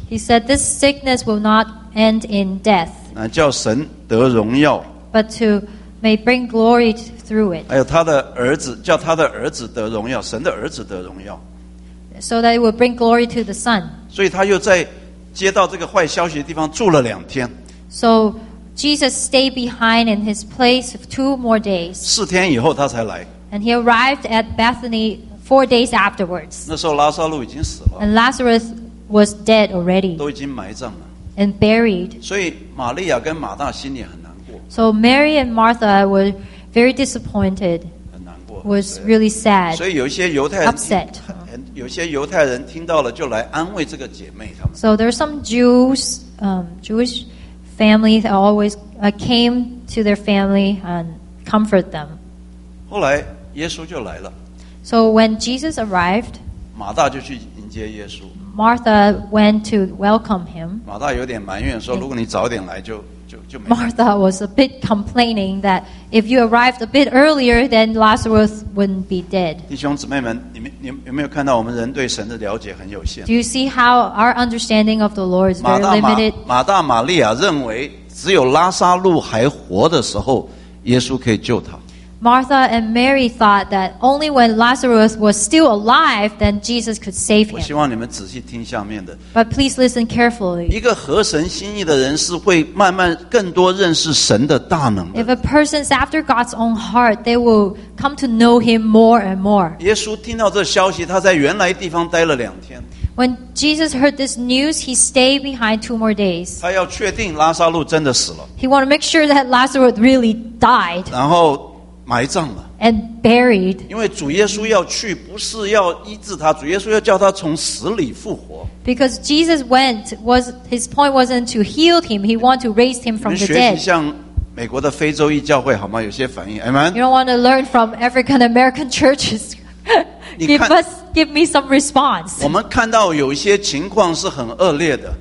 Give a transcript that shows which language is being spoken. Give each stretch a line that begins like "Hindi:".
English: He said this sickness will not end in death.
Chinese: 乃叫神得荣耀。
English: But to may bring glory through it.
Chinese: 还有他的儿子，叫他的儿子得荣耀，神的儿子得荣耀。
English: So that it will bring glory to the Son.
Chinese: 所以他又在接到这个坏消息的地方住了两天。
English: So Jesus stayed behind in his place for 2 more days.
Chinese: 四天以后他才来。
English: And he arrived at Bethany 4 days afterwards.
Chinese: 那时候拉撒路已经死了。
English: And Lazarus was dead already.
Chinese: 都已经埋葬了。
English: And buried.
Chinese: 所以玛利亚跟马大心里很难过。
English: So Mary and Martha were very disappointed.
Chinese: 很难过。
English: Was really sad.
Chinese: 所以有些犹太人
English: upset.
Chinese: 有些犹太人听到了就来安慰这个姐妹他们。
English: So there are some Jews, Jewish family that always came to their family and comfort them.
Chinese: 后来。耶稣就来了。
English: So when Jesus arrived,
Chinese: 马大就去迎接耶稣。
English: Martha went to welcome him.
Chinese: 马大有点埋怨说：“如果你早点来就没。”
English: Martha was a bit complaining that if you arrived a bit earlier, then Lazarus wouldn't be dead.
Chinese: 弟兄姊妹们，你们有没有看到我们人对神的了解很有限
English: ？Do you see how our understanding of the Lord is very limited?
Chinese: 马大、玛利亚认为只有拉撒路还活的时候，耶稣可以救他。
English: Martha and Mary thought that only when Lazarus was still alive, then Jesus could save him.
Chinese: 我希望你们仔细听下面的。
English: But please listen carefully.
Chinese: 一个合神心意的人是会慢慢更多认识神的大能的。
English: If a person is after God's own heart, they will come to know Him more and more.
Chinese: 耶稣听到这消息，他在原来地方待了两天。
English: When Jesus heard this news, he stayed behind two more days.
Chinese: 他要确定拉撒路真的死了。
English: He wanted to make sure that Lazarus really died.
Chinese: 然后埋葬了。
English: And buried.
Chinese: 因为主耶稣要去，不是要医治他，主耶稣要叫他从死里复活。
English: Because Jesus went, was his point wasn't to heal him, he wanted to raise him from the dead.
Chinese: 你学习像美国的非洲裔教会好吗？有些反应 ，Amen.
English: You don't want to learn from African American churches. give me some response.
Chinese: 我们看到有一些情况是很恶劣的。